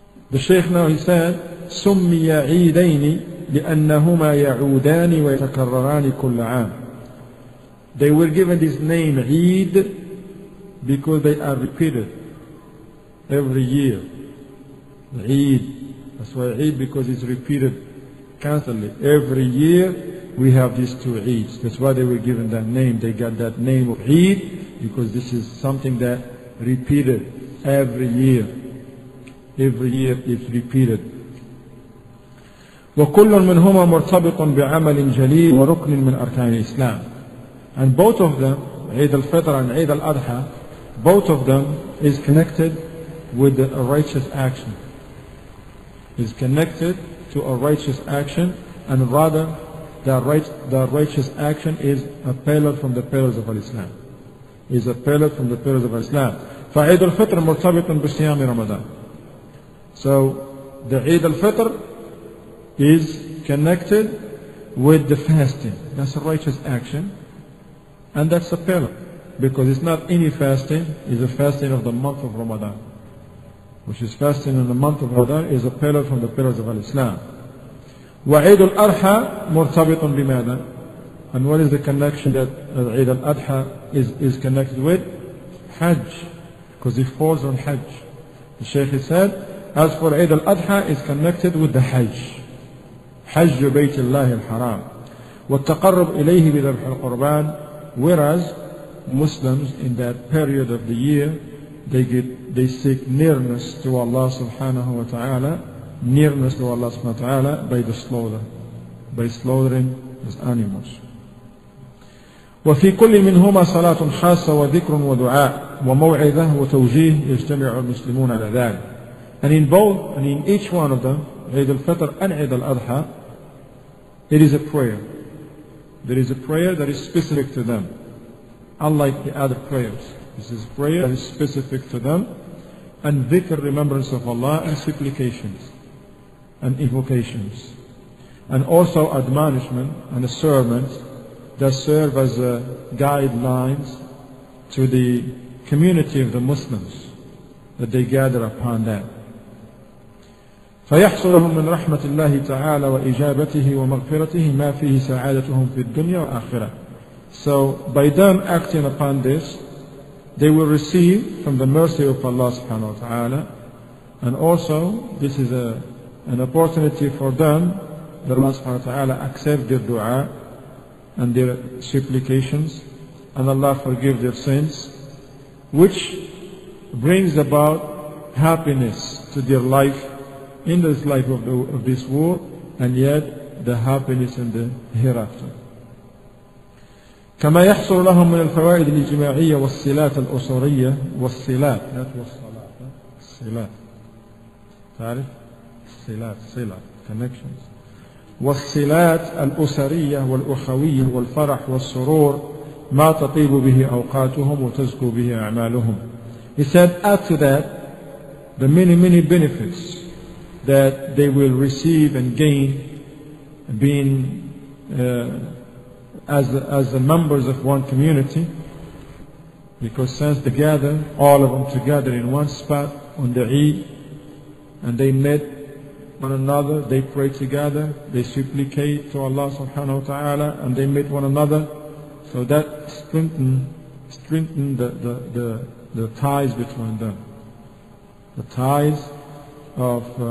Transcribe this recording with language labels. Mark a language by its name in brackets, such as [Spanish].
[English] The Shaykh now, he said, [Arabic] سُمِّيَ عِيدَيْنِ لِأَنَّهُمَا يَعُودَانِ وَيَتَكَرَّرَانِ كُلَّ عَامٍ. [English] They were given this name, Eid, because they are repeated every year. Eid. That's why Eid, because it's repeated constantly. Every year, we have these two Eids. That's why they were given that name. They got that name of Eid, because this is something that repeated every year. Every year is repeated. [Arabic] وكل منهما مرتبط بعمل جليل وركن من أركان الإسلام. [English] And both of them, Eid al-Fitr and Eid al-Adha, both of them is connected with a righteous action. Is connected to a righteous action, and rather the righteous action is a pillar from the pillars of Islam. Is a pillar from the pillars of Islam. [Arabic] فعيد الفطر مرتبط بصيام رمضان. [English] So the Eid al-Fitr is connected with the fasting. That's a righteous action. And that's a pillar. Because it's not any fasting, it's a fasting of the month of Ramadan. Which is fasting in the month of Ramadan is a pillar from the pillars of Islam. [Arabic] وَعِيدُ الْأَرْحَى مُرْتَبِطٌ بِمَاذَا. [English] And what is the connection that Eid al-Adha is connected with? Hajj. Because it falls on Hajj. The Shaykh said, as for Eid al-Adha, it's connected with the Hajj. [Arabic] حج بيت الله الحرام والتقرب إليه بذبح القربان. [English] Whereas Muslims in that period of the year they seek nearness to Allah subhanahu wa ta'ala, nearness to Allah subhanahu wa ta'ala by the slaughter, by slaughtering his animals. [Arabic] وفي كل منهما صلاة خاصة وذكر ودعاء وموعظة وتوجيه يجتمع المسلمون على ذلك. [English] And in both, and in each one of them, Eid al-Fitr and Eid al-Adha, it is a prayer. There is a prayer that is specific to them. Unlike the other prayers. This is a prayer that is specific to them. And dhikr, remembrance of Allah, and supplications. And invocations. And also admonishment and a sermon that serve as guidelines to the community of the Muslims that they gather upon that. [Arabic] فيحصلهم من رحمة الله تعالى وإجابته ومغفرته ما فيه سعادتهم في الدنيا والآخرة. [English] So by them acting upon this, they will receive from the mercy of Allah subhanahu wa ta'ala, and also this is an opportunity for them that Allah subhanahu wa ta'ala accept their dua and their supplications, and Allah forgive their sins, which brings about happiness to their life in this life of this world, and yet the happiness in the hereafter. [Arabic] كما يحصل لهم من الفوائد الاجتماعية والصلات الأسرية والصلات. [English] That was salat. Salat. [Arabic] تعرف؟ [English] Salat. Salat. Connections. [Arabic] والصلات الأسرية والأخوية والفرح والسرور ما تطيب به أوقاتهم وتزكو به أعمالهم. [English] He said, add to that the many, many benefits that they will receive and gain being as the members of one community, because since they gather, all of them together in one spot on the Eid, and they met one another, they pray together, they supplicate to Allah subhanahu wa ta'ala, and they meet one another, so that strengthened the ties between them, the ties of